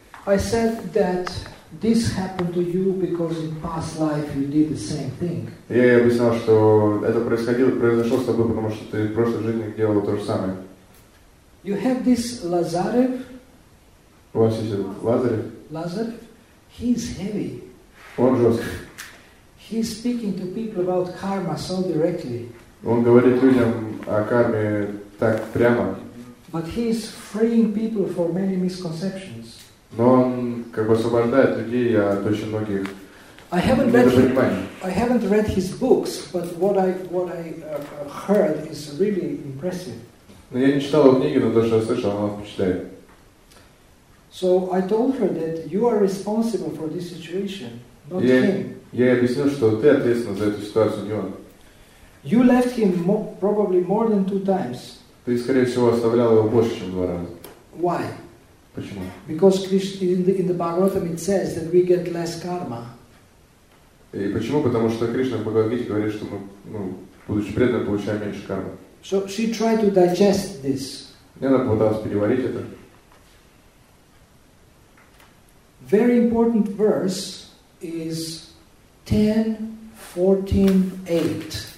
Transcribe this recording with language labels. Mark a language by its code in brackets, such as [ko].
[en] I said that this happened to you because in past life you did the same thing. [ru] Я объяснял, что это произошло с тобой, потому что ты в прошлой жизни делал то же самое. [en] You have this Lazarev. What is it? Lazarev? Lazarev. He's heavy. [ru] Он жесткий. [en] He's speaking to people about karma so directly. [ru] Он говорит людям о карме так прямо. [en] But he's freeing people from many misconceptions. [ru] Но он как бы освобождает людей от очень многих недопониманий. [en] I haven't read his books, but what I heard is really impressive. [ru] Но я не читал его книги, но то, что я слышал, она впечатляет. [en] So I told her that you are responsible for this situation, not him. [ru] Я ей объяснил, что ты ответственна за эту ситуацию, не он. [en] You left him probably more than two times. [ru] Ты, скорее всего, оставлял его больше, чем два раза. [en] Why? [ru] Почему? [en] Because in the Bhagavatam it says that we get less karma. [ru] И почему? Потому что Кришна в Бхагавад-гите говорит, что мы, ну, будучи преданными, получаем меньше кармы. [en] So she tried to digest this. [ru] Она пыталась переварить это. [en] Very important verse is 10:14:8.